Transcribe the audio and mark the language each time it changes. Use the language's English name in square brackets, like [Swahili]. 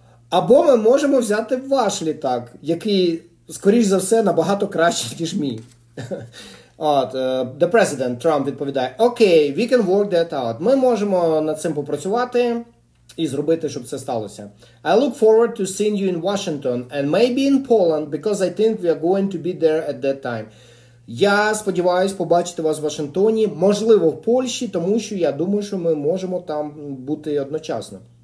[Ukrainian] Або ми можемо взяти ваш літак, який, скоріш за все, набагато кращий, ніж мій. От, [English] the president Trump [Ukrainian] відповідає, окей, [English] we can work that out. [Ukrainian] Ми можемо над цим попрацювати і зробити, щоб це сталося. [English] I look forward to seeing you in Washington and maybe in Poland, because I think we are going to be there at that time. [Ukrainian] Я сподіваюся побачити вас в Вашингтоні, можливо, в Польщі, тому що я думаю, що ми можемо там бути одночасно.